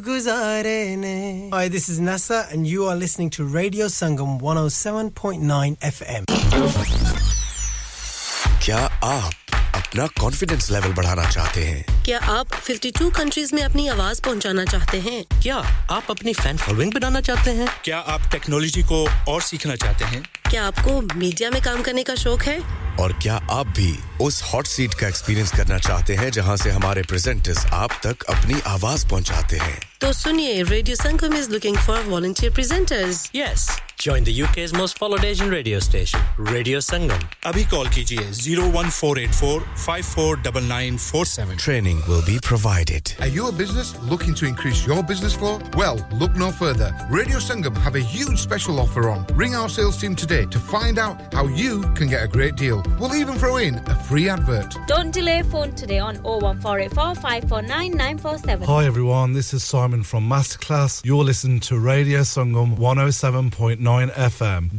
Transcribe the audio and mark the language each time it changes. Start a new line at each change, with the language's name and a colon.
English: Hi, this is Nasa, and you are listening to Radio Sangam 107.9 FM.
Hindi: क्या आप अपना confidence level बढ़ाना चाहते हैं? क्या आप 52 कंट्रीज में अपनी आवाज पहुंचाना चाहते हैं? क्या आप अपनी फैन फॉलोइंग बनाना चाहते हैं? क्या आप टेक्नोलॉजी को और सीखना चाहते हैं? क्या आपको मीडिया में काम करने का शौक है? और क्या आप भी उस हॉट सीट का एक्सपीरियंस करना चाहते हैं जहां से हमारे प्रेजेंटर्स आप तक अपनी आवाज पहुंचाते हैं तो सुनिए
English: radio Sangam is looking for volunteer presenters yes join the UK's most followed Asian radio station radio Sangam
Hindi: अभी कॉल कीजिए 01484549947
English: Training will be provided are you a business looking to increase your business flow well look no further radio Sangam have a huge special offer on ring our sales team today to find out how you can get a great deal We'll even throw in a free advert. Don't delay, phone today on 01484549947. Hi everyone, this is Simon from Masterclass. You're listening to Radio Sangam 107.9 FM.